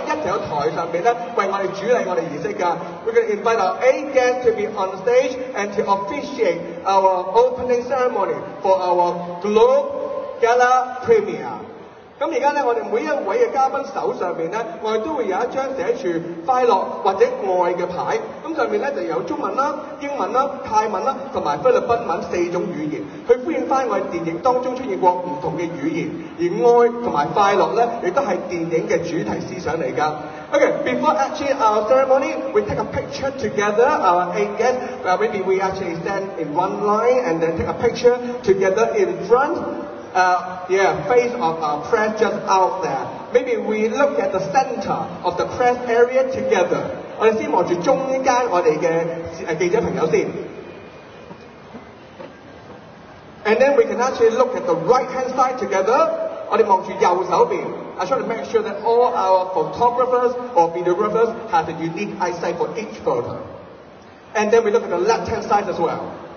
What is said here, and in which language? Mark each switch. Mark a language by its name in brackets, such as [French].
[English] We're going to invite our eight guests to be on stage and to officiate our opening ceremony for our Globe Gala Premiere. [Chinese] 現在我們每一位的嘉賓手上都會有一張寫著快樂或者愛的牌，上面有中文、英文、泰文和菲律賓文四種語言，去歡迎我們電影當中出現過不同的語言，而愛和快樂也是電影的主題思想來的。 [English] Okay, before actually our ceremony, we take a picture together, our eight guests. Maybe we actually stand in one line and then take a picture together in front. Face of our press just out there. Maybe we look at the center of the press area together. [Chinese] 我們先看著中間我們的記者朋友先。 [English] And then we can actually look at the right-hand side together. [Chinese] 我們看著右手邊。 [English] I try to make sure that all our photographers or videographers have a unique eyesight for each photo. And then we look at the left-hand side as well.